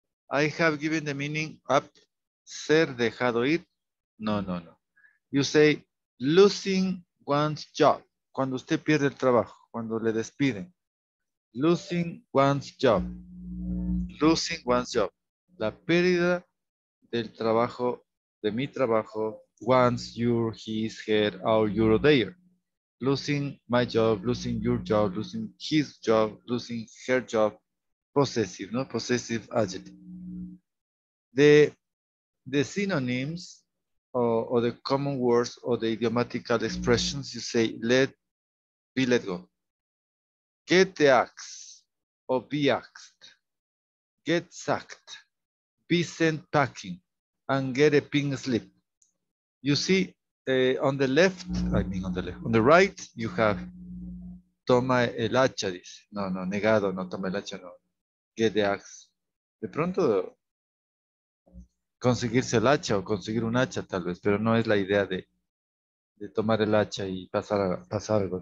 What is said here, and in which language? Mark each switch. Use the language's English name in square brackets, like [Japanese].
[English] I have given the meaning up, [Spanish] ser dejado ir. [English] No, no, no. You say losing one's job. [Spanish] Cuando usted pierde el trabajo, cuando le despiden. [English] Losing one's job. Losing one's job. [Spanish] La pérdida del trabajo, de mi trabajo, [English] once your, his, her, or your, their. Losing my job, losing your job, losing his job, losing her job. Possessive, [Spanish] ¿no? [English] Possessive adjective. The synonyms or the common words or the idiomatical expressions, you say let be let go. Get the axe or be axed. Get sacked. Be sent packing and get a pink slip. You see, on the left, I mean on the left, on the right, you have [Spanish] toma el hacha, dice. No, no, negado, no toma el hacha, no. [English] Get the axe. [Spanish] De pronto, conseguirse el hacha o conseguir un hacha tal vez, pero no es la idea de tomar el hacha y pasar algo.